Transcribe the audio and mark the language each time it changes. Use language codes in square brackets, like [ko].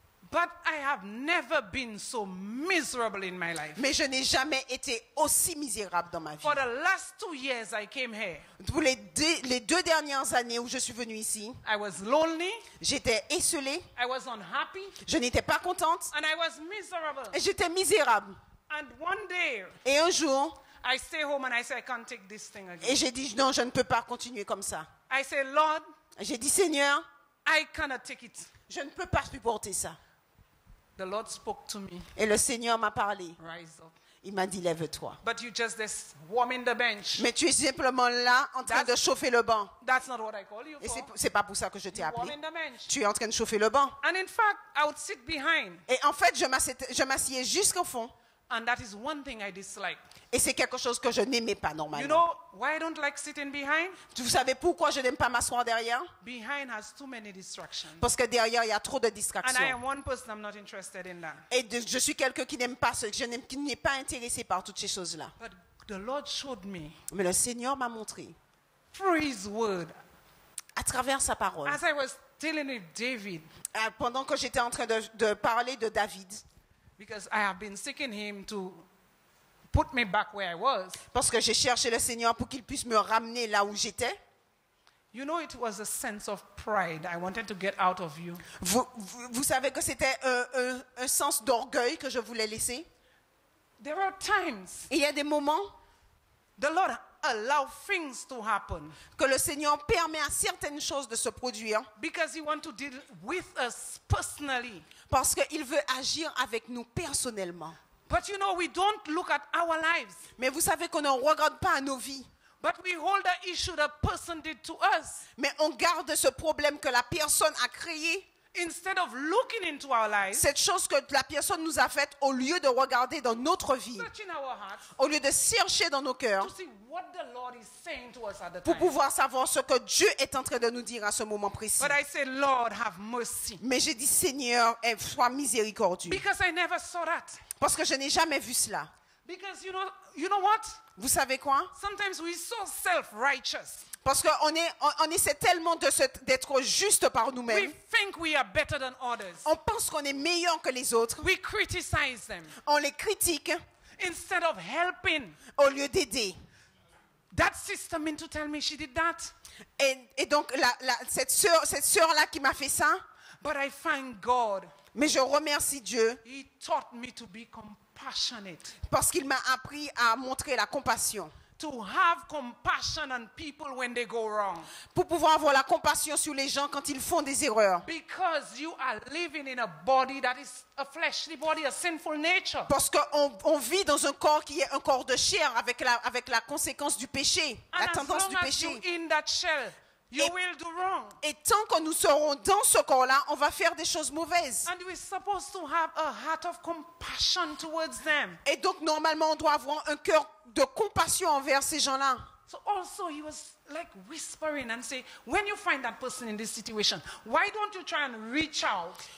[en] But I have never been so miserable in my life. [fr] Mais je n'ai jamais été aussi misérable dans ma vie. [en] For the last 2 years I came here. [fr] Pour les deux dernières années où je suis venue ici. [en] I was lonely. [fr] J'étais esselée. [en] I was unhappy. [fr] Je n'étais pas contente. [en] And I was miserable. [fr] Et j'étais misérable. [en] And one day. [fr] Et un jour. [en] I stay home and I say I can't take this thing again. [fr] Et j'ai dit non, je ne peux pas continuer comme ça. [en] I say Lord. [fr] J'ai dit Seigneur. [en] I cannot take it. [fr] Je ne peux pas supporter ça. [en] The Lord spoke to me. [fr] Et le Seigneur m'a parlé. [en] Rise up. [fr] Il m'a dit, lève-toi. [en] But you're just this warming the bench. [fr] Mais tu es simplement là en train de chauffer le banc. [en] That's not what I call you [fr] et [en] for. [fr] Et c'est pas pour ça que je t'ai appelé. [en] Warming the bench. [fr] Tu es en train de chauffer le banc. [en] And in fact, I would sit behind. [fr] Et en fait, je m'assieds jusqu'au fond. [en] And that is one thing I dislike. [fr] Et c'est quelque chose que je n'aimais pas normalement. [en] You know why I don't like sitting behind? [fr] Vous savez pourquoi je n'aime pas m'asseoir derrière? [en] Behind has too many distractions. [fr] Parce que derrière il y a trop de distractions. [en] And I am one person I'm not interested in that. [fr] Et je suis quelqu'un qui n'aime pas qui n'est pas intéressé par toutes ces choses-là. [en] But the Lord showed me. [fr] Mais le Seigneur m'a montré. [en] Through His Word. [fr] À travers sa parole. [en] As I was dealing with David. [fr] Pendant que j'étais en train de parler de David. [en] Because I have been seeking him to put me back where I was. [fr] Parce que j'ai cherché le Seigneur pour qu'il puisse me ramener là où j'étais. [en] You know, it was a sense of pride I wanted to get out of you. [fr] Vous savez que c'était un sens d'orgueil que je voulais laisser. [en] There are times. [fr] Il y a des moments. [en] The Lord allows things to happen. [fr] Que le Seigneur permet à certaines choses de se produire. [en] Because he wants to deal with us personally. [fr] Parce qu'il veut agir avec nous personnellement. [en] But you know, we don't look at our lives. [fr] Mais vous savez qu'on ne regarde pas à nos vies. [en] But we hold the issue the person did to us. [fr] Mais on garde ce problème que la personne a créé. [en] Instead of looking into our lives, [fr] cette chose que la personne nous a faite, au lieu de regarder dans notre vie, [en] searching our hearts, [fr] au lieu de chercher dans nos cœurs, [en] to see what the Lord is saying to us at the [fr] pour [en] time. [fr] Pouvoir savoir ce que Dieu est en train de nous dire à ce moment précis. [en] But I say, Lord, have mercy. [fr] Mais j'ai dit, Seigneur, sois miséricordieux. [en] Because I never saw that. [fr] Parce que je n'ai jamais vu cela. [en] Because you know what? [fr] Vous savez quoi? [en] Sometimes we so self-righteous. [fr] Parce qu'on essaie tellement d'être juste par nous-mêmes. [en] We think we are better than others. [fr] On pense qu'on est meilleur que les autres. [en] We criticize them. [fr] On les critique. [en] Instead of helping. [fr] Au lieu d'aider. [en] That sister meant to tell me she did that. [fr] Et donc cette sœur-là qui m'a fait ça. [en] But I thank God. [fr] Mais je remercie Dieu. [en] He taught me to be compassionate. [fr] Parce qu'il m'a appris à montrer la compassion. [en] To have compassion on people when they go wrong. [fr] Pour pouvoir avoir la compassion sur les gens quand ils font des erreurs. [en] Because you are living in a body that is a fleshly body, a sinful nature. [fr] Parce qu'on vit dans un corps qui est un corps de chair avec la conséquence du péché, [en] and [fr] la tendance du péché. [en] You in that shell, you will do wrong. [fr] Et tant que nous serons dans ce corps-là, on va faire des choses mauvaises. [en] And we're supposed to have a heart of compassion towards them. [fr] Et donc normalement, on doit avoir un cœur de compassion envers ces gens-là. [en] So also he was like whispering and say, when you find that person in this situation, why don't you try and reach out?